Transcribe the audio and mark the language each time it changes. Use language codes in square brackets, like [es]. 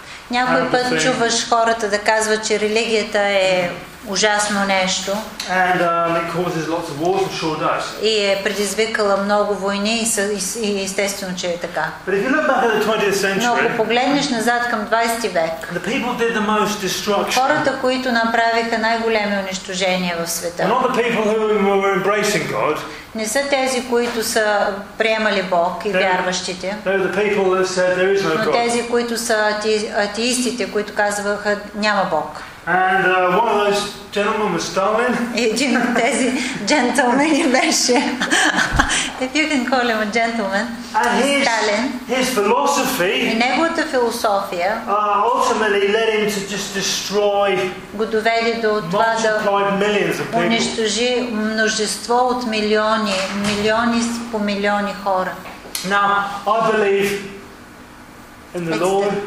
[bg] Някой път чуваш хората да казват, че религията е ужасно нещо. [en] And, it causes lots of wars, sure does. [bg] И е предизвикала много войни и естествено, че е така. [en] But if you look back at the 20th century, [bg] но ако погледнеш назад към 20 век, [en] the people did the most destruction. [bg] Хората, които направиха най-големи унищожения в света, [en] not the people who were embracing God, [bg] не са тези, които са приемали Бог и вярващите, [en] the people that said there is no God. [bg] Но тези, които са атеистите, които казваха, няма Бог. [en] And one of those gentlemen was Stalin. [bg] Един от тези джентълмени беше. [en] If you can call him a gentleman. And Stalin. His philosophy. [bg] И неговата философия. [en] Ultimately led him to just destroy. [bg] Го доведе до това да унищожи множество от милиони, милиони по милиони хора. [en] Now I believe in the Lord.